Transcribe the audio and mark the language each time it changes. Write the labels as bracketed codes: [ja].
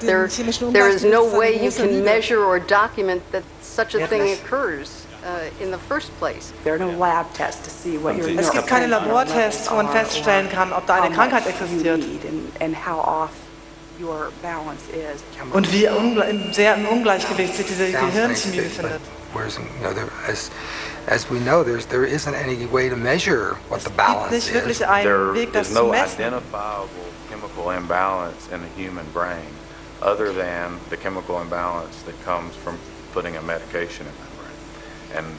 [en] There is no way you can measure or document that such a thing occurs in the first place. There are no lab tests to see what you're. [de] Es gibt keine Labortests, wo man feststellen kann, ob da eine Krankheit existiert. [en] And how off your balance is. [de] Und wie sehr im Ungleichgewicht sich diese Gehirnchemie befindet. [en] As we know, there isn't any way to measure what the balance is. There's no identifiable chemical imbalance in the human brain other than the chemical imbalance that comes from putting a medication in that brain.